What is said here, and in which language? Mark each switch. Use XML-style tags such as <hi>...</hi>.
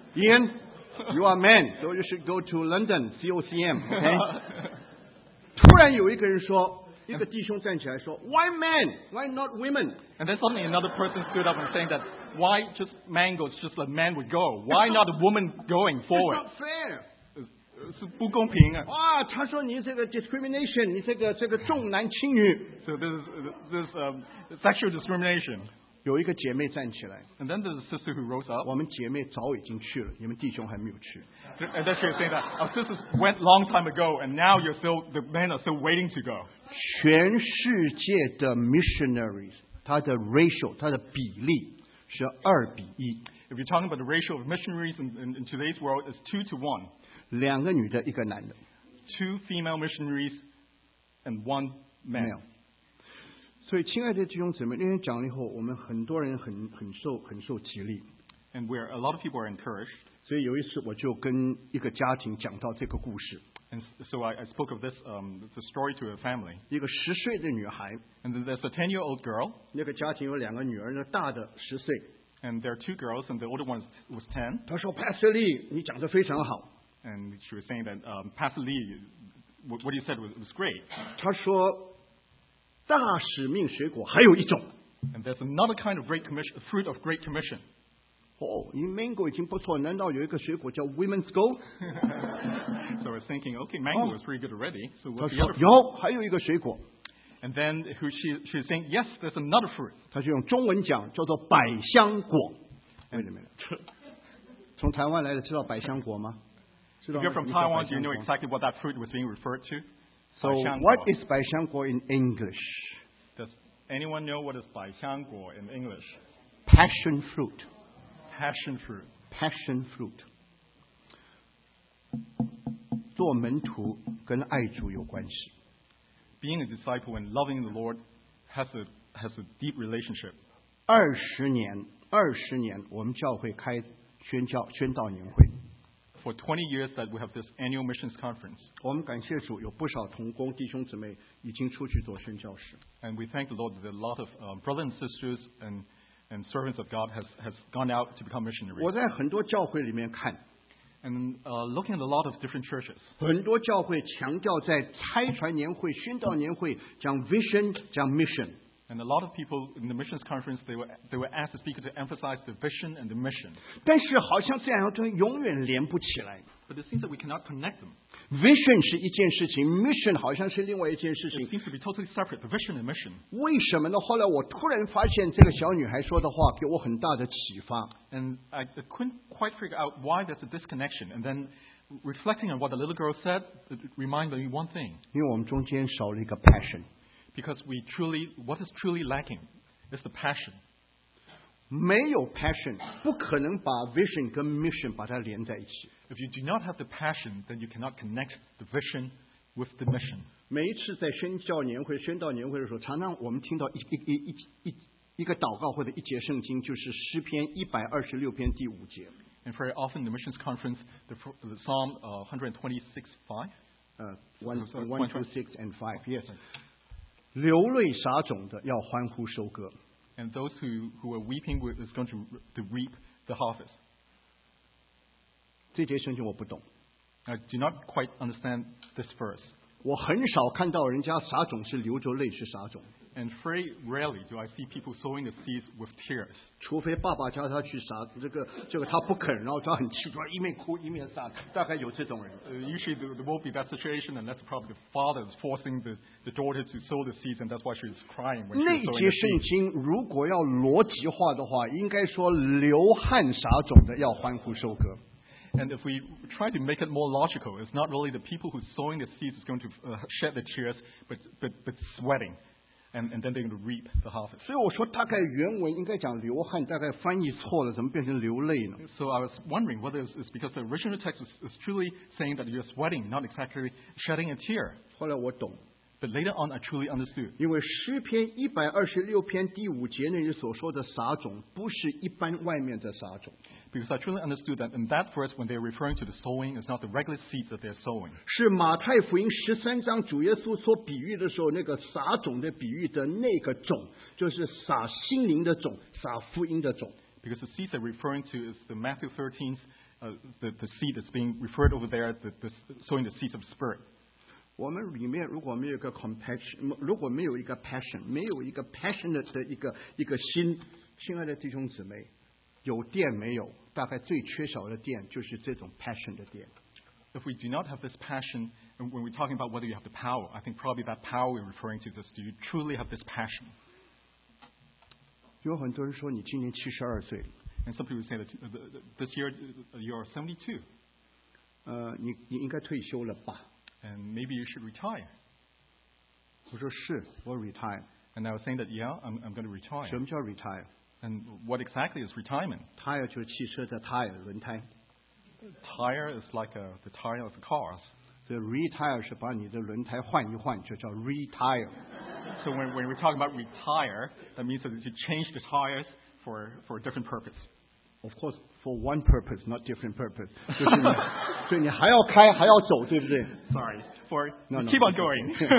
<en>Ian, you are a man, so you should go to London, COCM. Okay?</en> <zh>突然有一个人说，一个弟兄站起来说,</zh> <en>Why men? Why not women? And then suddenly another person stood up and saying that, why just man goes, just a man would go? Why not a woman going forward? It's not fair.</en> <zh>是不公平啊！哇，他说你这个 discrimination， 你这个重男轻女。So</zh> <en>this sexual discrimination.</en> <zh>有一个姐妹站起来。And</zh> <en>then there's a sister who rose up.</en> <zh>我们姐妹早已经去了，你们弟兄还没有去。And</zh> <en>then she was saying that our sisters went long time ago, and now you're still the men are still waiting to go.</en> <zh>全世界的 missionaries， 它的 ratio， 它的比例是2:1。If</zh> <en>you're talking about the ratio of missionaries in today's world, it's 2:1.</en> <zh>两个女的，一个男的。</zh> <en>Two female missionaries and one male.</en> <zh>所以，亲爱的弟兄姊妹，那天讲了以后，我们很多人很受激励。</zh> <en>And where a lot of people are encouraged.</en> <zh>所以有一次我就跟一个家庭讲到这个故事。</zh> <en>And so I spoke of this the story to a family.</en> <zh>一个十岁的女孩。</zh> <en>And there's a 10-year-old girl.</en> <zh>那个家庭有两个女儿，那大的十岁。</zh> <en>And there are two girls, and the older one was 10.</en> <zh>她说 ，Pastor Lee， 你讲得非常好。</zh> <en>And she was saying that Pastor Lee, what he said was great.</en> <zh>她说。大使命水果还有一种</zh> <en>and there's another kind of great commission, fruit of great commission.</en> <zh>Oh, 你 mango 已经不错，难道有一个水果叫</zh> <en>women's gold? So I was thinking, okay, mango is pretty good already. So what's the</en> <zh>other? 有，还有一个水果。</zh> <en>And then she's saying, yes, there's another fruit.</en> <zh>她就用中文讲，叫做百香果。</zh> <en>Wait a minute.</en> <zh>从台湾来的知道百香果吗？知道。</zh> <en>If you're from Taiwan, do you know exactly what that fruit was being referred to? So, what is 百香果 in English? Does anyone know what is 百香果 in English? Passion fruit. Passion fruit. Passion fruit.</en> <zh>做门徒跟爱主有关系。</zh> <en>Being a disciple and loving the Lord has a deep relationship.</en> <zh>二十年，我们教会开宣道年会。</zh> <en>For 20 years that we have this annual missions conference.</en> <zh>我们感谢主，有不少同工弟兄姊妹已经出去做宣教士。</zh> <en>And we thank the Lord that a lot of brothers and sisters and servants of God has gone out to become missionaries.</en> <zh>我在很多教会里面看</zh> <en>and looking at a lot of different churches.</en> <zh>很多教会强调在差传年会、宣道年会讲 vision、讲 mission.</zh> <en>And a lot of people in the missions conference, they were asked the speaker to emphasize the vision and the mission.</en> <zh>但是好像这样就永远连不起来。</zh> <en>But it seems that we cannot connect them.</en> <zh>Vision 是一件事情 ，mission 好像是另外一件事情。</zh> <en>It seems to be totally separate, the vision and mission.</en> <zh>为什么呢？后来我突然发现这个小女孩说的话给我很大的启发。</zh> <en>And I couldn't quite figure out why there's a disconnection. And then reflecting on what the little girl said, it reminded me one thing.</en> <zh>因为我们中间少了一个 passion.</zh> <en>Because we truly, what is truly lacking is the passion.</en> <zh>没有 passion, 不可能把 vision 跟 mission 把它连在一起。</zh> <en>If you do not have the passion, then you cannot connect the vision with the mission.</en> <zh>每一次在宣教年会、宣道年会的时候，常常我们听到一个祷告或者一节圣经，就是诗篇126篇第五节。</zh> <en>And very often in the missions conference, the Psalm 126:5. 126:5, yes.</en> <zh>流泪撒种的要欢呼收割</zh> <en>and those who are weeping is going to reap the harvest.</en> <zh>这节圣经我不懂</zh> <en>I do not quite understand this verse.</en> <zh>我很少看到人家撒种是流着泪去撒种</zh> <en>and very rarely do I see people sowing the seeds with tears.</en> <zh>除非爸爸叫他去撒这个他不肯然后他很气一面哭一面撒大概有这种人</zh> <en>Usually there won't be that situation and that's probably the father is forcing the daughter to sow the seeds and that's why she's crying when she's sowing the seeds.</en> <zh>那节圣经如果要逻辑化的话应该说流汗撒种的要欢呼收割</zh> <en>And if we try to make it more logical it's not really the people who's sowing the seeds is going to shed the tears but sweating and then they're going to reap the harvest.</en> <zh>所以我说大概原文应该讲流汗大概翻译错了怎么变成流泪呢</zh> <en>So I was wondering whether it's because the original text is truly saying that you're sweating not exactly shedding a tear.</en> <zh>后来我懂</zh> <en>But later on I truly understood.</en> <zh>因为诗篇126篇第五节那里所说的撒种不是一般外面的撒种</zh> <en>Because I truly understood that in that verse when they're referring to the sowing it's not the regular seeds that they're sowing.</en> <zh>是马太福音13章主耶稣说比喻的时候那个撒种的比喻的那个种就是撒心灵的种撒福音的种</zh> <en>Because the seeds they're referring to is the Matthew 13 the seed that's being referred over there the sowing the seeds of spirit.</en> <zh>我们里面如果没有一个 compassion， 如果没有一个 passion， 没有一个 passionate 的一个心，亲爱的弟兄姊妹，有电没有？大概最缺少的电就是这种 passion 的电。</zh> <en>If we do not have this passion, when we're talking about whether you have the power, I think probably that power we're referring to is do you truly have this passion?</en> <zh>有很多人说你今年72岁</zh> <en>，and some people say that this year you are 72.</en> <zh>你应该退休了吧？</zh> <en>And maybe you should retire.</en> <zh>我说是，我 retire.</zh> <en>And I was saying that, yeah, I'm going to retire.</en> <zh>什么叫 retire?</zh> <en>And what exactly is retirement?</en> <zh>Tire 就是汽车的 tire 轮胎。</zh> <en>Tire is like the tire of the cars.</en> <zh>所以 retire 是把你的轮胎换一换，就叫 retire。</zh> <en>So when we talk about retire, that means that you change the tires for a different purpose. Of course, for one purpose, not different purpose.</en> <zh>就是你，所以你还要开，还要走，对不对</zh> <en>？Sorry, for no, keep on going.</en>